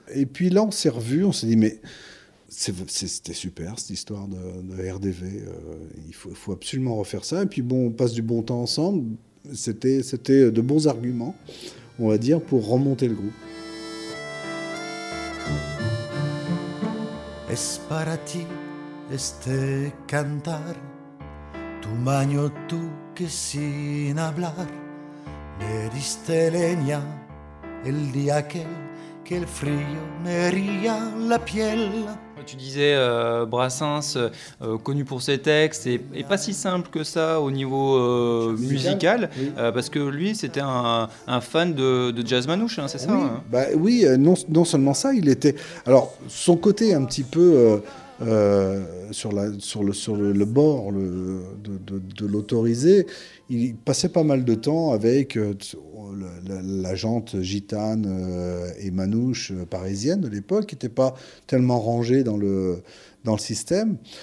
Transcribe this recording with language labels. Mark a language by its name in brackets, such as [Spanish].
[French] Et puis là, on s'est revus, on s'est dit mais c'était super cette histoire de RDV. Il faut absolument refaire ça. Et puis bon, on passe du bon temps ensemble. C'était de bons arguments, on va dire, pour remonter le groupe. [Spanish] Es para ti este cantar, tu maño tú que sin hablar me diste leña el día aquel que el frío me hería la piel. [French] Tu disais Brassens, connu pour ses textes, et pas si simple que ça au niveau musical, oui. Parce que lui, c'était un fan de jazz manouche, hein, c'est ça? Oui, hein, bah, oui, non seulement ça, il était... Alors, son côté un petit peu sur le bord de l'autoriser, il passait pas mal de temps avec la gente gitane et manouche parisienne de l'époque, qui n'était pas tellement rangée dans le système.